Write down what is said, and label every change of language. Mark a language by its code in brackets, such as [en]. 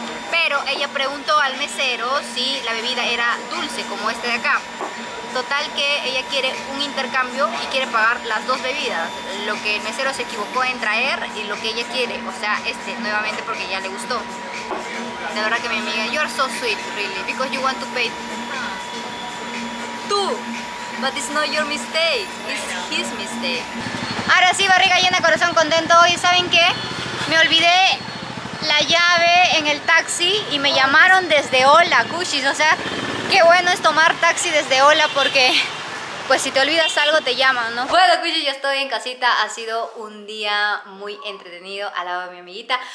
[es] Pero ella preguntó al mesero si la bebida era dulce como este de acá. Total que ella quiere un intercambio y quiere pagar las dos bebidas. Lo que el mesero se equivocó en traer y lo que ella quiere, o sea, este nuevamente porque ya le gustó. De verdad que mi amiga, [en] you are so sweet, really, because you want to pay tú, but it's not your mistake, it's his mistake. [es] Ahora sí, barriga llena, corazón contento. Hoy, ¿saben qué? Me olvidé la llave en el taxi y me llamaron desde Ola, Cushis. O sea, qué bueno es tomar taxi desde Ola porque, pues si te olvidas algo, te llaman, ¿no? Bueno, Cushis, yo estoy en casita. Ha sido un día muy entretenido al lado de mi amiguita.